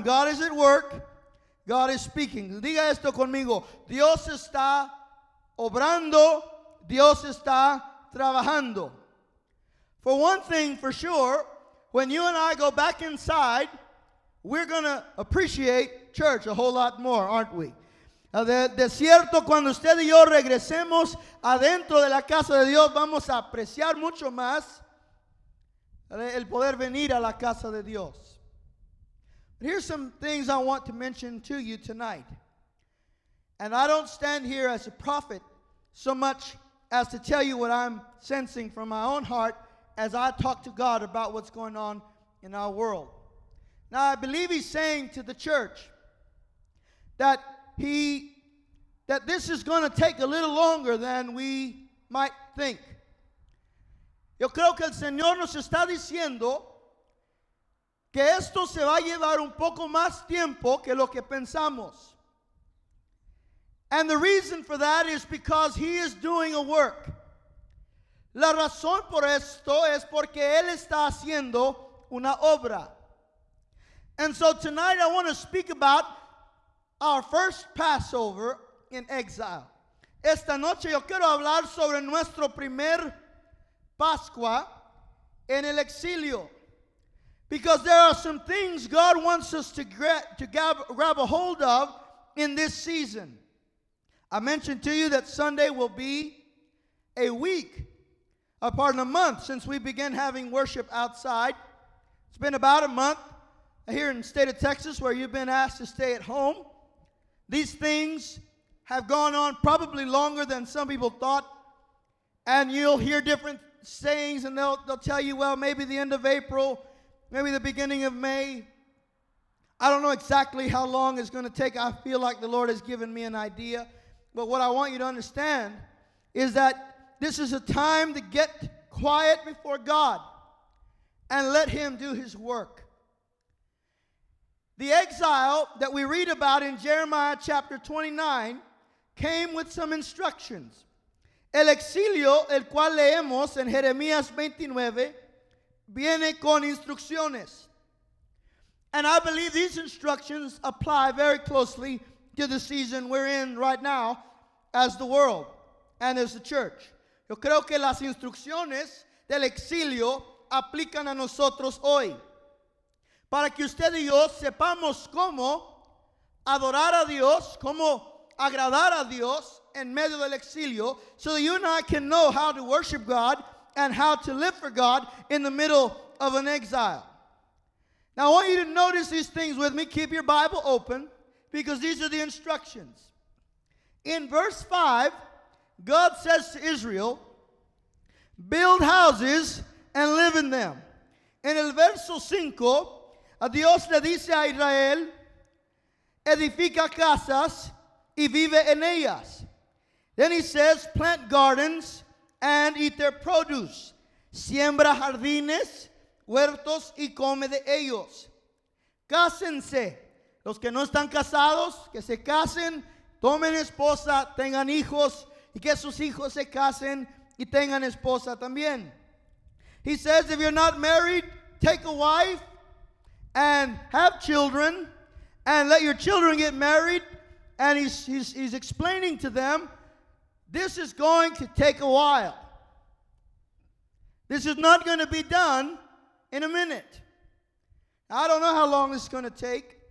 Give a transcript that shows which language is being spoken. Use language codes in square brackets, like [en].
[en] God is at work. God is speaking. [es] Diga esto conmigo. Dios está obrando, Dios está trabajando. [en] For one thing, for sure, when you and I go back inside, we're going to appreciate church a whole lot more, aren't we? [es] De cierto, cuando usted y yo regresemos adentro de la casa de Dios, vamos a apreciar mucho más el poder venir a la casa de Dios. [en] But here's some things I want to mention to you tonight. And I don't stand here as a prophet so much as to tell you what I'm sensing from my own heart as I talk to God about what's going on in our world. Now, I believe he's saying to the church that this is going to take a little longer than we might think. [es] Yo creo que el Señor nos está diciendo que esto se va a llevar un poco más tiempo que lo que pensamos. [en] And the reason for that is because he is doing a work. [es] La razón por esto es porque él está haciendo una obra. [en] And so tonight I want to speak about our first Passover in exile. [es] Esta noche yo quiero hablar sobre nuestro primer Pascua en el exilio. [en] Because there are some things God wants us to grab a hold of in this season. I mentioned to you that Sunday will be a month since we began having worship outside. It's been about a month here in the state of Texas where you've been asked to stay at home. These things have gone on probably longer than some people thought. And you'll hear different sayings and they'll tell you, well, maybe the end of April, maybe the beginning of May. I don't know exactly how long it's going to take. I feel like the Lord has given me an idea. But what I want you to understand is that this is a time to get quiet before God and let Him do His work. The exile that we read about in Jeremiah chapter 29 came with some instructions. [es] El exilio, el cual leemos en Jeremías 29, viene con instrucciones. [en] And I believe these instructions apply very closely to the season we're in right now as the world and as the church. [es] Yo creo que las instrucciones del exilio aplican a nosotros hoy. Para que usted y yo sepamos cómo adorar a Dios, cómo agradar a Dios en medio del exilio, [en] so that you and I can know how to worship God and how to live for God in the middle of an exile. Now I want you to notice these things with me. Keep your Bible open because these are the instructions. In verse 5, God says to Israel, build houses and live in them. [es] En el verso 5, Dios le dice a Israel, edifica casas y vive en ellas. [en] Then he says, plant gardens and eat their produce. [es] Siembra jardines, huertos y come de ellos. Cásense. Los que no están casados, que se casen, tomen esposa, tengan hijos, y que sus hijos se casen y tengan esposa también. [en] He says, if you're not married, take a wife and have children and let your children get married. And he's explaining to them, this is going to take a while. This is not going to be done in a minute. I don't know how long this is going to take.